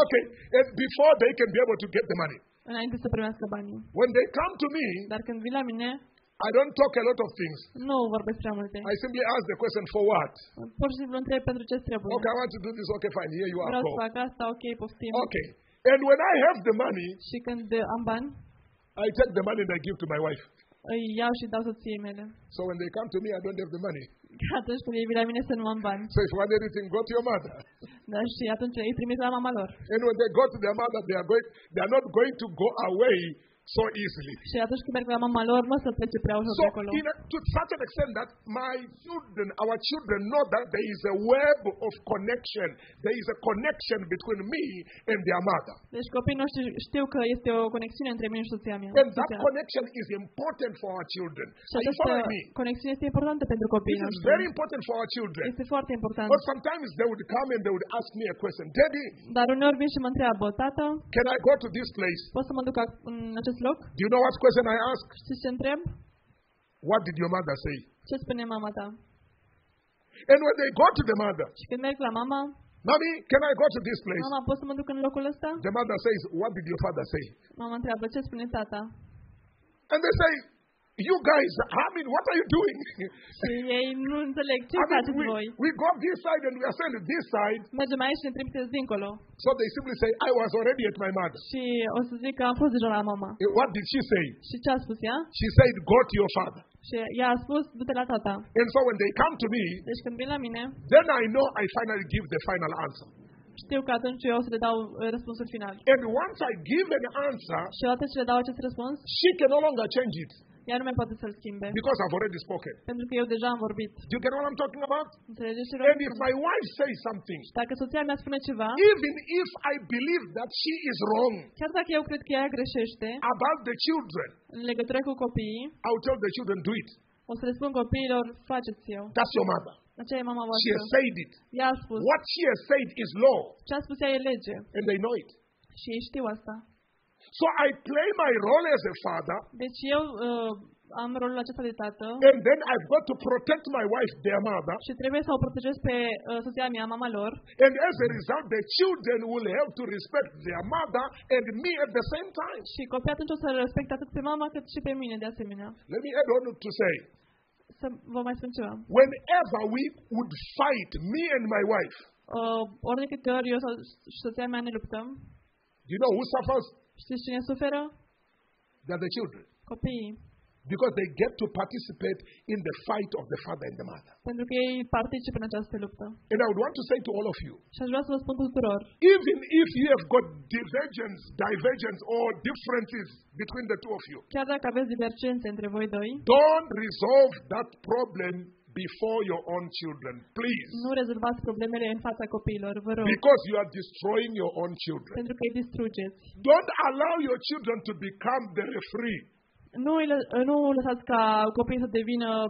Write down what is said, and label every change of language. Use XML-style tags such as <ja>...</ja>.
<en>Okay, and before they can be able to get the money.</en> <ro>Înainte să primească banii.</ro> <en>When they come to me,</en> <ro>dar când vin la mine,</ro> <en>I don't talk a lot of things.</en> <ro>Nu vorbesc prea multe.</ro> <en>I simply ask the question for what.</en> <ro>Pur și simplu întreb pentru ce trebuie.</ro> <en>Okay, I want to do this. Okay, fine. Here you are.</en> <ro>Vreau să fac asta, okay, poftim.</ro> <en>Okay. And when I have the money,</en> <ro>și când am bani,</ro> <en>I take the money and I give to my wife.</en> <ro>Îi iau și dau soției mele.</ro> <en>So when they come to me, I don't have the money.</en> <ro>Atunci când ei vin la mine să nu am bani.</ro> <en>So if one everything go to your mother.</en> <ro>Da, și atunci ei trimit la mama lor.</ro> <en>And when they go to their mother, they are not going to go away so easily.</en> <ro>Și atunci când merg la mama lor, nu o să plece prea ușor de acolo.</ro> <en>To such an extent that my children, our children know that there is a web of connection. There is a connection between me and their mother.</en> <ro>Deci copiii noștri știu că este o conexiune între mine și soția mea.</ro> <en>And that connection is important for our children.</en> <ro>Și conexiunea este importantă pentru copiii noștri.</ro> <en>It is very important for our children.</en> <ro>Este foarte important.</ro> <en>But sometimes they would come and they would ask me a question. Daddy,</en> <ro>dar uneori vin și mă întreabă, tată,</ro> <en>can I go to this place?</en> <ro>Pot să mă duc în acest loc?</ro> <en>Do you know what question I ask?</en> <ro>Ce se întreb?</ro> <en>What did your mother say?</en> <ro>Ce spune mama ta?</ro> <en>And when they go to the mother,</en> <ro>și când merg la mama,</ro> <en>mommy, can I go to this place?</en> <ro>Mama, pot să mă duc în locul ăsta?</ro> <en>The mother says, what did your father say?</en> <ro>Mama întreabă, ce spune tata?</ro> <en>And they say, you guys, I mean, what are you doing?</en> <ro>Și ei nu înțeleg ce faceți voi.</ro> <en>We go this side and we are sent this side.</en> <ro>Mergem aici și ne trimiteți dincolo.</ro> <en>So they simply say, I was already at my mother.</en> <ro>Și o să zic că am fost deja la mama.</ro> <en>What did she say?</en> <ro>Și ce a spus ea?</ro> <en>She said, go to your father.</en> <ro>Și ea a spus, du-te la tata.</ro> <en>And so when they come to me,</en> <ro>deci când vin la mine,</ro> <en>then I know I finally give the final answer.</en> <ro>Știu că atunci eu o să le dau răspunsul final.</ro> <en>And once I give an answer,</en> <ro>și odată ce le dau acest răspuns,</ro> <en>she can no longer change it.</en> <ro>Ea nu mai poate să-l schimbe.</ro> <en>Because I've already spoken.</en> <ro>Pentru că eu deja am vorbit.</ro> <en>Do you get what I'm talking about?</en> <ro>Înțelegeți?</ro> <en>And if my wife says something,</en> <ro>dacă soția mea spune ceva,</ro> <en>even if I believe that she is wrong,</en> <ro>chiar dacă eu cred că ea greșește,</ro> <en>about the children,</en> <ro>în legătură cu copiii,</ro> <en>I will tell the children, do it.</en> <ro>O să le spun copiilor, faceți eu.</ro> <en>That's your mother.</en> <ro>Aceea e mama voastră.</ro> <en>She has said it.</en> <ro>Ea a spus.</ro> <en>What she has said is law.</en> <ro>Ce a spus ea e lege.</ro> <en>And they know it.</en> <ro>Și ei știu asta.</ro> <en>So I play my role as a father.</en> <ro>Deci eu am rolul acesta de tată.</ro> <en>And then I've got to protect my wife, their mother.</en> <ro>Și trebuie să o protejez pe soția mea, mama lor.</ro> <en>And as a result, the children will have to respect their mother and me at the same time.</en> <ro>Și copiii atunci o să respecte atât pe mama cât și pe mine de asemenea.</ro> <en>Let me add on to say.</en> <ro>Să vă mai spun ceva.</ro> <en>Whenever we would fight, me and my wife.</en> <ro>Ori de câte ori eu sau soția mea ne luptăm.</ro> <en>You know who suffers?</en> <ro>Știți cine suferă?</ro> <en>They're the children.</en> <ro>Copiii.</ro> <en>Because they get to participate in the fight of the father and the mother.</en> <ro>Pentru că ei participă în această luptă.</ro> <en>And I would want to say to all of you.</en> <ro>Și aș vrea să vă spun tuturor.</ro> <en>Even if you have got divergence or differences between the two of you.</en> <ro>Chiar dacă aveți divergențe între voi doi.</ro> <en>Don't resolve that problem before your own children, please.</en> <ro>Nu rezolvați problemele în fața copiilor, vă rog.</ro> <en>Because you are destroying your own children.</en> <ro>Pentru că îi distrugeți.</ro> <en>Don't allow your children to become the referee.</en> <ro>Nu lăsați ca copiii să devină</ro>